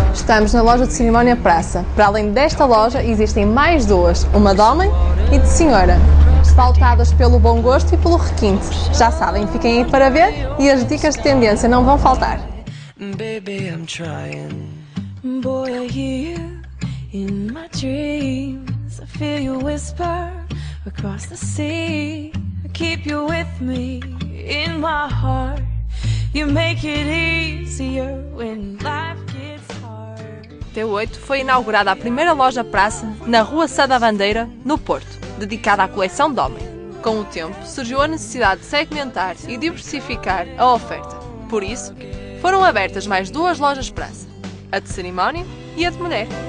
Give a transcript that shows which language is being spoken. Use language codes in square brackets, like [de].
[pt] Estamos na loja de cerimónia Praça. Para além desta loja, existem mais duas, uma de homem e de senhora. Faltadas pelo bom gosto e pelo requinte. Já sabem, fiquem aí para ver e as dicas de tendência não vão faltar. [en] Baby, I'm trying. Boy, I hear you in my dreams. I feel you whisper across the sea. I keep you with me in my heart. You make it easier when life gets hard. [pt] T8 foi inaugurada a primeira loja Praça na Rua Sá da Bandeira, no Porto, dedicada à coleção de homem. Com o tempo, surgiu a necessidade de segmentar e diversificar a oferta. Por isso, foram abertas mais 2 lojas de praça, a de cerimónia e a de mulher.